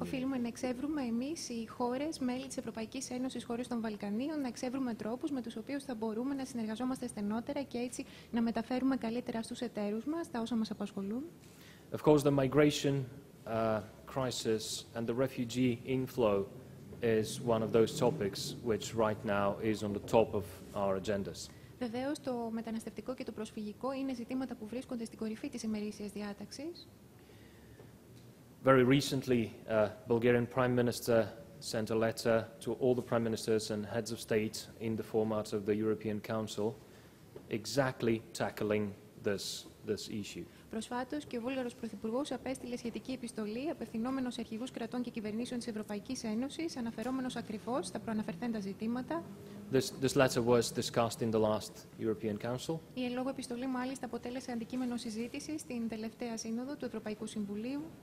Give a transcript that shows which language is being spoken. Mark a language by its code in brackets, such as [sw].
[el] Οφείλουμε να εξεύρουμε εμείς οι χώρες, μέλη της Ευρωπαϊκής Ένωσης, χώρες των Βαλκανίων, να εξεύρουμε τρόπους με τους οποίους θα μπορούμε να συνεργαζόμαστε στενότερα και έτσι να μεταφέρουμε καλύτερα στους εταίρους μας τα όσα μας απασχολούν. [en] Of course, the migration crisis and the refugee inflow is one of those topics which right now is on the top of our agendas. [el] Βεβαίως, το μεταναστευτικό και το προσφυγικό είναι ζητήματα που βρίσκονται στην κορυφή της ημερήσιας διάταξης. [en] Very recently, Bulgarian Prime Minister sent a letter to all the prime ministers and heads of state in the format of the European Council, exactly tackling this issue. [el] Προσφάτως και ο Βούλγαρος Πρωθυπουργός απέστειλε σχετική επιστολή απευθυνόμενος σε αρχηγούς κρατών και κυβερνήσεων της Ευρωπαϊκής Ένωσης, αναφερόμενος ακριβώς στα προαναφερθέντα ζητήματα. [en] This letter was discussed in the last European Council. [el] Η εν λόγω επιστολή μάλιστα αποτέλεσε αντικείμενο συζήτηση στην τελευταία σύνοδο του Ευρωπαϊκού Συμβουλίου.